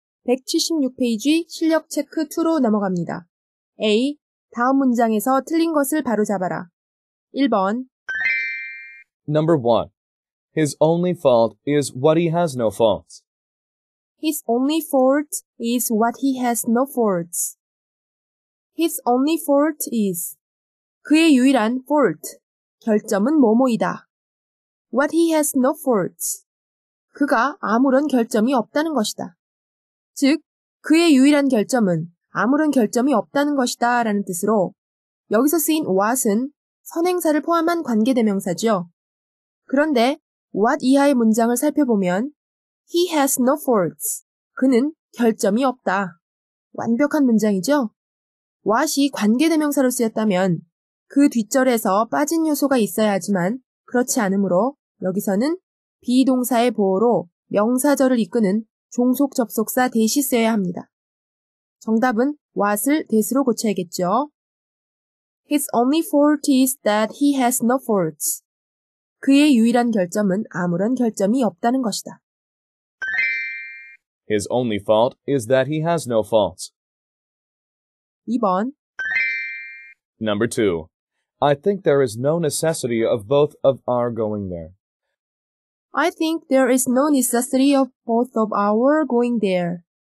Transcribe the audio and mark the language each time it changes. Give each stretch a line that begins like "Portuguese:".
Korean: 176페이지 실력 체크 2로 넘어갑니다. A. 다음 문장에서 틀린 것을 바로잡아라. 1번
English: Number 1. His only fault is what he has no faults. His only fault is what he has no faults. His only fault is
Korean: 그의 유일한 fault, 결점은 뭐뭐이다.
English: What he has no faults.
Korean: 그가 아무런 결점이 없다는 것이다. 즉, 그의 유일한 결점은 아무런 결점이 없다는 것이다 라는 뜻으로 여기서 쓰인 what은 선행사를 포함한 관계대명사죠. 그런데 what 이하의 문장을 살펴보면
English: he has no faults.
Korean: 그는 결점이 없다. 완벽한 문장이죠? what이 관계대명사로 쓰였다면 그 뒷절에서 빠진 요소가 있어야 하지만 그렇지 않으므로 여기서는 비동사의 보호로 명사절을 이끄는 종속 접속사 대시 써야 합니다. 정답은 what을 that로 고쳐야겠죠.
English: His only fault is that he has no faults.
Korean: 그의 유일한 결점은 아무런 결점이 없다는 것이다.
English: His only fault is that he has no faults.
Korean: 2번
English: Number 2. I think there is no necessity of both of our going there. I think there is no necessity of both of our going there.